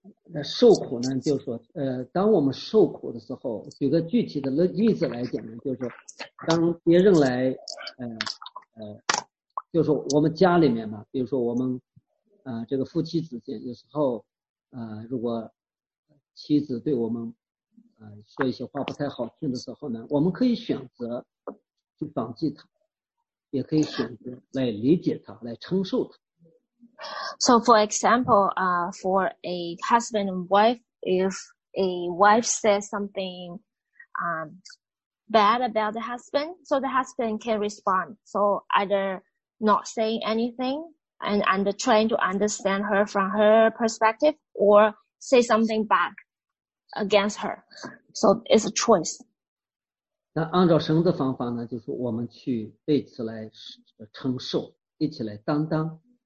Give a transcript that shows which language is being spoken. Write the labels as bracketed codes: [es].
[zh] 那受苦呢，就是说，当我们受苦的时候，举个具体的例子来讲呢，就是当别人来，就是我们家里面嘛，比如说我们，这个夫妻之间，有时候，如果妻子对我们，说一些话不太好听的时候呢，我们可以选择去放弃他，也可以选择来理解他，来承受他。 [en] So for example, for a husband and wife, if a wife says something bad about the husband, so the husband can respond. So either not saying anything and trying to understand her from her perspective or say something back against her. So it's a choice. [zh] 那按照神的方法呢，就是我们去为此来承受，一起来担当。